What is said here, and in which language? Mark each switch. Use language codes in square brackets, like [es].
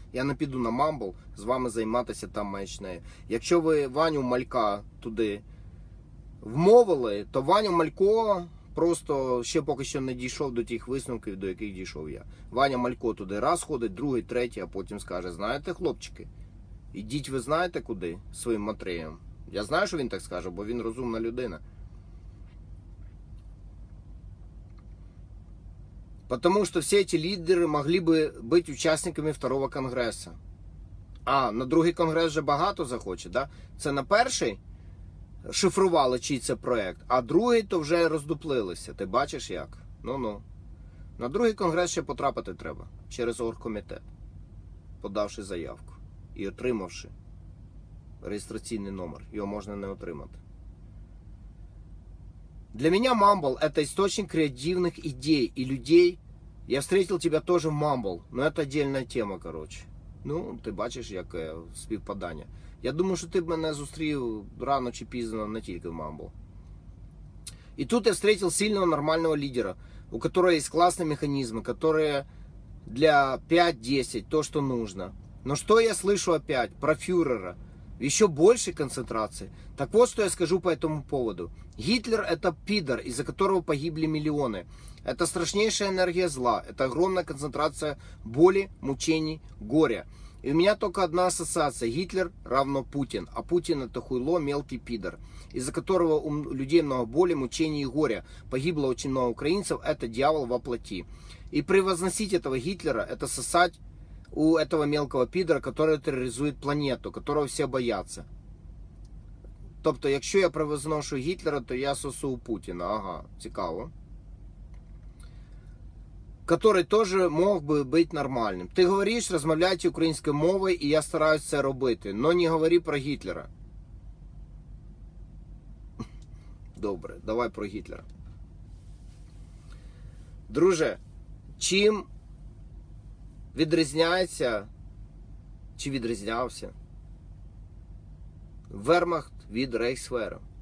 [uk] Я не піду на Мамбл з вами займатися там маячнею. Якщо ви Ваню Малька туди вмовили, то Ваню Малько просто ще поки що не дійшов до тих висновків, до яких дійшов я. Ваня Малько туди раз ходить, другий, третій, а потім скаже: знаєте, хлопчики, ідіть ви знаєте куди своїм матреєм. Я знаю, що він так скаже, бо він розумна людина. [ru] Потому что все эти лидеры могли бы быть участниками второго конгресса. [uk] А на другий конгрес же багато захоче, да? Це на перший шифрували, чий це проект, а другий то вже роздуплилися. Ти бачиш як? Ну-ну. На другий конгрес ще потрапити треба через оргкомітет, подавши заявку і отримавши реєстраційний номер. Його можна не отримати. [ru] Для меня Мамбл — это источник креативных идей и людей. Я встретил тебя тоже в Мамбл, но это отдельная тема, короче. [uk] Ну, ты бачиш, яке співпадання. Я думаю, що ти б мене зустрів рано чи пізно не тільки в Мамбл. І тут я встретил сильного, нормального лідера, у которого є класні механізми, которые для 5-10 то, що нужно. [ru] Но что я слышу опять про фюрера? Еще больше концентрации. Так вот, что я скажу по этому поводу. Гитлер – это пидор, из-за которого погибли миллионы. Это страшнейшая энергия зла. Это огромная концентрация боли, мучений, горя. И у меня только одна ассоциация. Гитлер равно Путин. А Путин – это хуйло, мелкий пидор. Из-за которого у людей много боли, мучений и горя. Погибло очень много украинцев. Это дьявол во плоти. И превозносить этого Гитлера – это сосать у этого мелкого пидора, который терроризует планету, которого все боятся. [uk] Тобто, якщо я превозношу Гітлера, то я сосу у Путіна. Ага, цікаво. Который тоже мог би бути нормальним. Ти говориш, розмовляйте українською мовою, і я стараюсь це робити. Но не говори про Гітлера. Добре, давай про Гітлера. Друже, чим відрізняється, чи відрізнявся Вермахт від Рейхсвера?